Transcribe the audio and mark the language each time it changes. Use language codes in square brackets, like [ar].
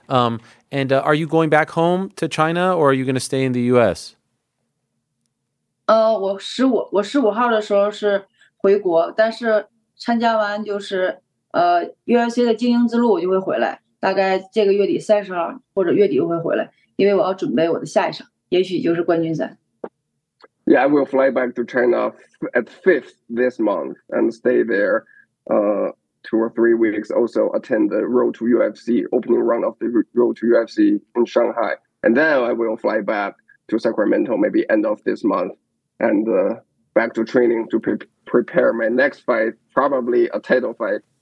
[en] Are you going back home to China, or are you going to stay in the U.S.? [zh] 我15号的时候是回国，但是参加完就是UFC的精英之路，我就会回来，大概这个月底30号或者月底就会回来，因为我要准备我的下一场，也许就是冠军赛。 [en] Yeah, I will fly back to China at 5th this month and stay there. 2 or 3 weeks, also attend the Road to UFC, opening round of the Road to UFC in Shanghai. And then I will fly back to Sacramento, maybe end of this month, and back to training to prepare my next fight, probably a title fight.